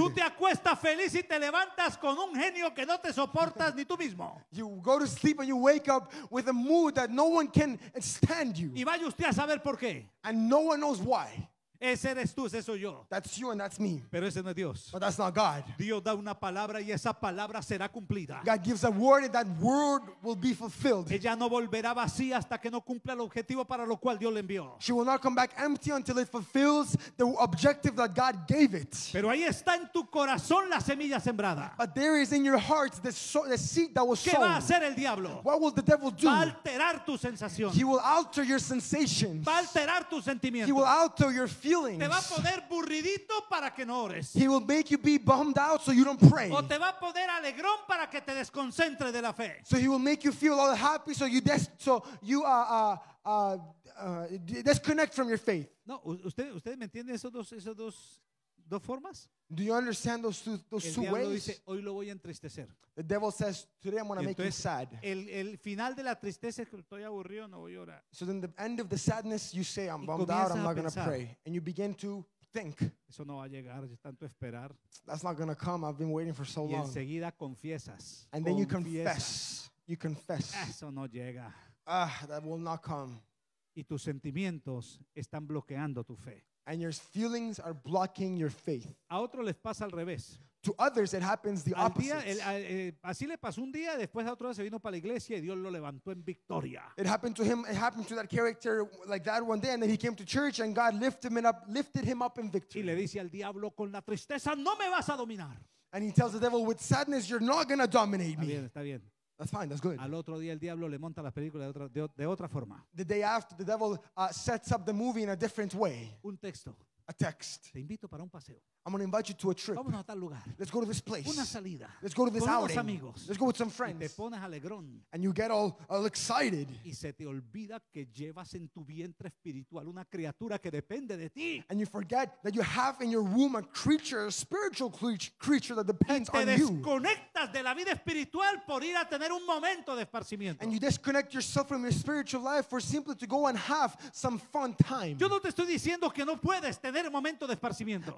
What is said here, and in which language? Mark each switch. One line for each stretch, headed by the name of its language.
Spanish: Tú te acuestas feliz y te levantas con un genio que no te soportas ni tú mismo.
English: You go to sleep and you wake up with a mood that no one can stand you.
Spanish: Y vaya usted a saber por qué.
English: And no one knows why.
Spanish: Ese eres tú, ese soy yo.
English: That's you and that's me.
Spanish: Pero ese no es Dios.
English: But that's not God.
Spanish: Dios da una palabra y esa palabra será cumplida.
English: God gives a word and that word will be fulfilled.
Spanish: Ella no volverá vacía hasta que no cumpla el objetivo para lo cual Dios le envió.
English: She will not come back empty until it fulfills the objective that God gave it.
Spanish: Pero ahí está en tu corazón la semilla sembrada.
English: But there is in your heart the seed that was sown.
Spanish: ¿Qué va a hacer el diablo?
English: What will the devil do?
Spanish: Va a alterar tu sensación.
English: He will alter your sensations.
Spanish: Va a alterar tu sentimiento.
English: He will alter your feelings.
Spanish: Te va a poner burridito para que no ores.
English: He will make you be bummed out so you don't pray.
Spanish: O te va a poner alegrón para que te desconcentres de la fe.
English: So he will make you feel all happy so you disconnect from your faith.
Spanish: No, ¿usted me entiende esos dos formas?
English: Do you understand those two ways?
Spanish: El diablo dice, hoy lo voy a entristecer.
English: The devil says, today I'm going to make you sad.
Spanish: El final de la tristeza es que estoy aburrido, no voy a orar.
English: So then the end of the sadness, you say, I'm bummed out, I'm not going to pray. And you begin to think.
Spanish: Eso no va a llegar, es tanto esperar.
English: That's not going to come, I've been waiting for so long.
Spanish: Y enseguida confiesas.
English: And then you confess. You confess.
Spanish: Eso no llega.
English: That will not come.
Spanish: Y tus sentimientos están bloqueando tu fe.
English: And your feelings are blocking your faith.
Spanish: A otro les pasa al revés.
English: To others, it happens the opposite.
Spanish: Así le pasó un día, después a otro se vino para la iglesia y Dios lo levantó en victoria.
English: It happened to him. It happened to that character like that one day, and then he came to church and God lifted him up in victory.
Spanish: Y le dice al diablo con la tristeza, no me vas a dominar.
English: And he tells the devil with sadness, you're not going to dominate me.
Spanish: Está bien, está bien.
English: That's fine. That's good.
Spanish: Al otro día el diablo le monta las películas de otra forma.
English: The day after, the devil sets up the movie in a different way.
Spanish: Un texto.
English: A text.
Spanish: Te invito para un paseo.
English: I'm going to invite you to a trip.
Spanish: Vamos a tal lugar.
English: Let's go to this place.
Spanish: Una salida.
English: Let's go to this
Spanish: con
English: outing.
Spanish: Con amigos.
English: Let's go with some friends.
Spanish: Y te pones alegrón.
English: And you get all excited.
Spanish: Y se te olvida que llevas en tu vientre espiritual una criatura que depende de ti.
English: And you forget that you have in your womb a creature, a spiritual creature that depends on you.
Spanish: Y te desconectas de la vida espiritual por ir a tener un momento de esparcimiento.
English: And you disconnect yourself from your spiritual life for simply to go and have some fun time.
Spanish: Yo no te estoy diciendo que no puedes tener un momento de esparcimiento.